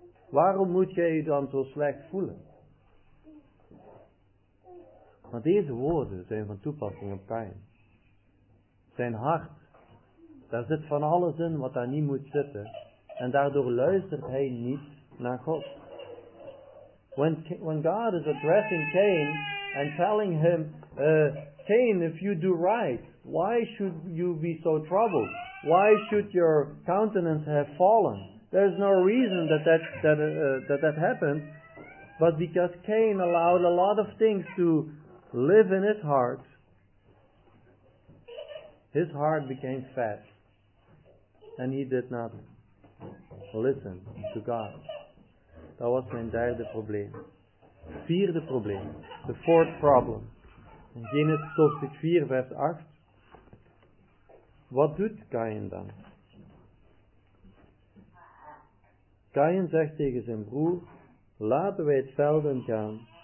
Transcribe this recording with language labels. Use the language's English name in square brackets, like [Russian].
[Dutch] Waarom moet gij u dan zo slecht voelen? Maar deze woorden zijn van toepassing op Caïn. Zijn hart, daar zit van alles in wat daar niet moet zitten. En daardoor luistert hij niet naar God. [English] When God is addressing Caïn and telling him, Caïn, if you do right, why should you be so troubled? Why should your countenance have fallen? There is no reason that happened. But because Caïn allowed a lot of things to live in his heart became fat, and he did not listen to God. [Dutch] Dat was mijn derde probleem. Vierde probleem, [English] the fourth problem. [Dutch] In Genesis hoofdstuk 4, vers 8, wat doet Caïn dan? Caïn zegt tegen zijn broer: laten wij het veld in gaan.